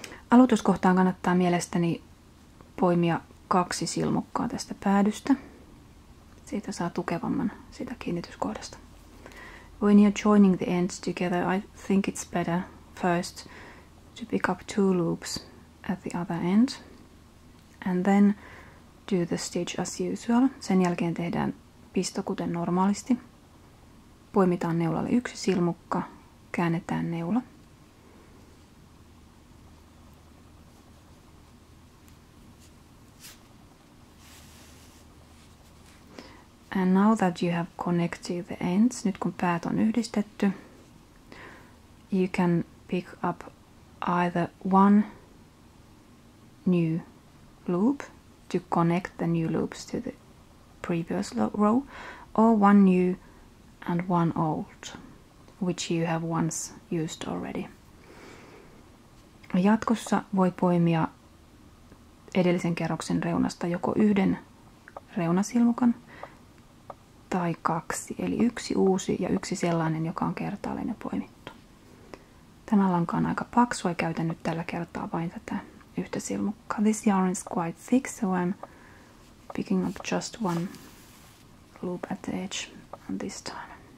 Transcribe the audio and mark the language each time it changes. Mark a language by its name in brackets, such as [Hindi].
[Finnish] Aloituskohtaan kannattaa mielestäni poimia kaksi silmukkaa tästä päädystä. Siitä saa tukevamman siitä kiinnityskohdasta. [English] When you're joining the ends together, I think it's better first to pick up two loops at the other end and then do the stitch as usual. [Finnish] Sen jälkeen tehdään pisto kuten normaalisti. Poimitaan neulalle yksi silmukka, käännetään neula. [English] And now that you have connected the ends, [Finnish] nyt kun päät on yhdistetty, [English] you can pick up either one new loop to connect the new loops to the previous row, or one new and one old, which you have once used already. [Finnish] Jatkossa voi poimia edellisen kerroksen reunasta joko yhden reunasilmukan tai kaksi, eli yksi uusi ja yksi sellainen, joka on kertaalleen jo poimittu. Tämä lanka on aika paksu, ei käytä nyt tällä kertaa vain tätä yhtä silmukkaa. [English] This yarn is quite thick, so I'm picking up just one loop at the edge this time.